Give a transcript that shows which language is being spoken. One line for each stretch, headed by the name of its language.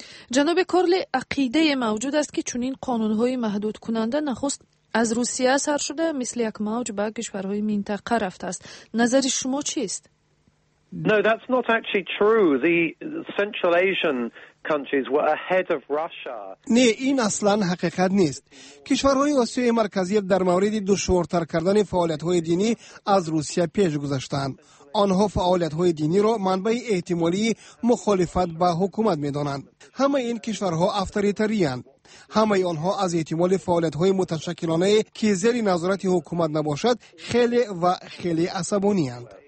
Persian: جناب کورلی، عقیده موجود است که چنین قانون های محدود کننده نخست از روسیه اثر شده، مثل یک موج به کشورهای منطقه رفته است. نظر شما چیست؟
English: No, that's not actually true. The Central Asian countries were ahead of Russia.
Persian: نه، این اصلا حقیقت نیست. کشورهای آسیای مرکزی در مورد دشوارتر کردن فعالیت‌های دینی از روسیه پیش گذاشتند. آنها فعالیت های دینی را منبع احتمالی مخالفت با حکومت می دانند. همه این کشورها افتریتری‌اند. همه آنها از احتمال فعالیت های متشکلانه که زیر نظارت حکومت نباشد خیلی و خیلی عصبانی‌اند.